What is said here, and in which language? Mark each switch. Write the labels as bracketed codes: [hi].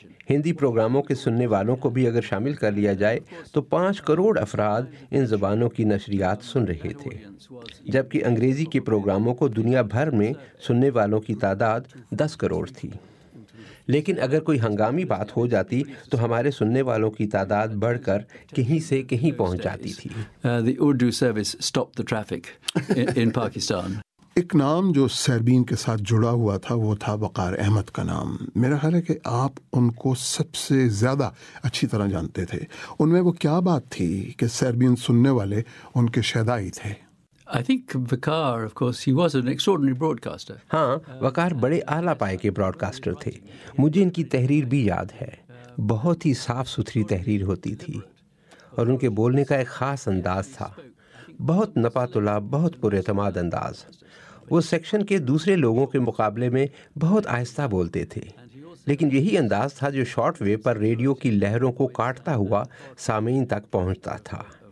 [ur] ہندی پروگراموں کے سننے والوں کو بھی اگر شامل کر لیا جائے تو 5 کروڑ افراد ان زبانوں کی نشریات سن رہے تھے, جبکہ انگریزی کے پروگراموں کو دنیا بھر میں سننے والوں کی تعداد 10 کروڑ تھی. لیکن اگر کوئی ہنگامی بات ہو جاتی تو ہمارے سننے والوں کی تعداد بڑھ کر کہیں سے کہیں پہنچ جاتی تھی. [en] The Urdu service stopped the traffic in Pakistan. [ur] ایک نام جو سربین کے ساتھ جڑا ہوا تھا وہ تھا وقار احمد کا نام. میرا خیال ہے کہ آپ ان کو سب سے زیادہ اچھی طرح جانتے تھے. ان میں وہ کیا بات تھی کہ سربین سننے والے ان کے شیدائی تھے؟ [en] I think Vakar, of course, he was an extraordinary broadcaster. [ur] ہاں, وقار بڑے اعلیٰ پائے کے براڈ کاسٹر تھے. مجھے ان کی تحریر بھی یاد ہے, بہت ہی صاف ستھری تحریر ہوتی تھی اور ان کے بولنے کا ایک خاص انداز تھا, بہت نپا تلا, بہت پراعتماد انداز. وہ سیکشن کے دوسرے لوگوں کے مقابلے میں بہت آہستہ بولتے تھے لیکن یہی انداز تھا جو شارٹ ویو پر ریڈیو کی لہروں کو کاٹتا ہوا سامعین تک پہنچتا تھا.